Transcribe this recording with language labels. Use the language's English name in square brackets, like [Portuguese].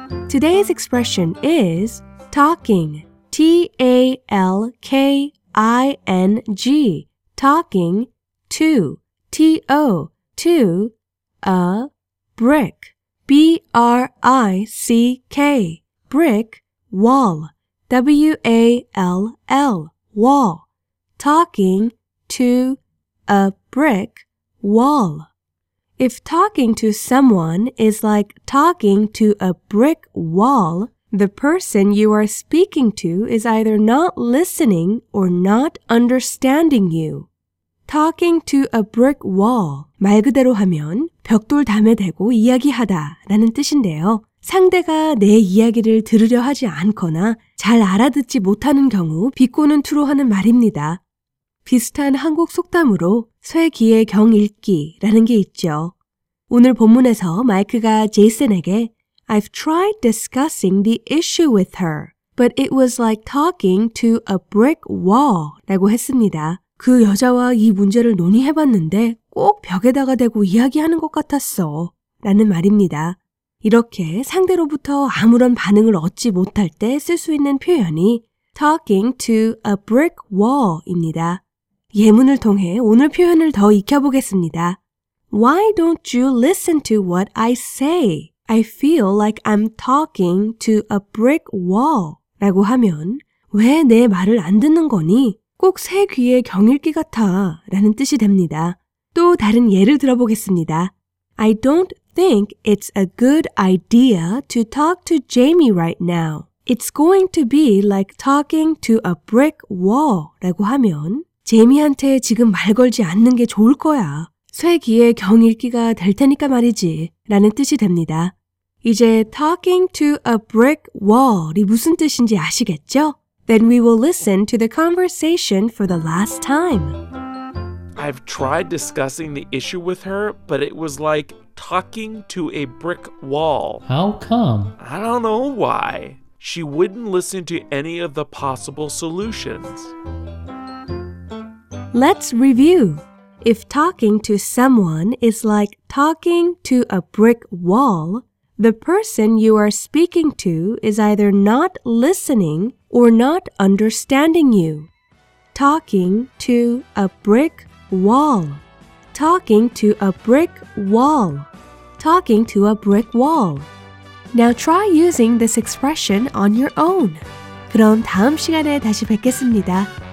[English] Today's expression is talking, T-A-L-K-I-N-G, talking to, T-O, to a brick, B-R-I-C-K, brick, wall, W-A-L-L, wall, talking to a brick wall. If talking to someone is like talking to a brick wall, the person you are speaking to is either not listening or not understanding you. Talking to a brick wall. [Korean] 말 그대로 하면 벽돌 담에 대고 이야기하다 라는 뜻인데요. 상대가 내 이야기를 들으려 하지 않거나 잘 알아듣지 못하는 경우 비꼬는 투로 하는 말입니다. 비슷한 한국 속담으로 쇠 귀에 경 읽기 라는 게 있죠. 오늘 본문에서 마이크가 제이슨에게 [English] I've tried discussing the issue with her, but it was like talking to a brick wall [Korean] 라고 했습니다. 그 여자와 이 문제를 논의해봤는데 꼭 벽에다가 대고 이야기하는 것 같았어 라는 말입니다. 이렇게 상대로부터 아무런 반응을 얻지 못할 때 쓸 수 있는 표현이 [English] talking to a brick wall [Korean] 입니다. 예문을 통해 오늘 표현을 더 익혀보겠습니다. [English] Why don't you listen to what I say? I feel like I'm talking to a brick wall. [Korean] 라고 하면 왜 내 말을 안 듣는 거니? 꼭 새 귀에 경읽기 같아 라는 뜻이 됩니다. 또 다른 예를 들어보겠습니다. [English] I don't think it's a good idea to talk to Jamie right now. It's going to be like talking to a brick wall [Korean] 라고 하면 제이미한테 지금 말 걸지 않는 게 좋을 거야. 쇠 귀에 경 읽기가 될 테니까 말이지 라는 뜻이 됩니다. 이제 [English] talking to a brick wall [Korean] 이 무슨 뜻인지 아시겠죠? [English] Then we will listen to the conversation for the last time. I've tried discussing the issue with her, but it was like talking to a brick wall. How come? I don't know why. She wouldn't listen to any of the possible solutions. Let's review. If talking to someone is like talking to a brick wall, the person you are speaking to is either not listening or not understanding you. Talking to a brick wall. Talking to a brick wall. Talking to a brick wall. Now try using this expression on your own. [Korean] 그럼 다음 시간에 다시 뵙겠습니다.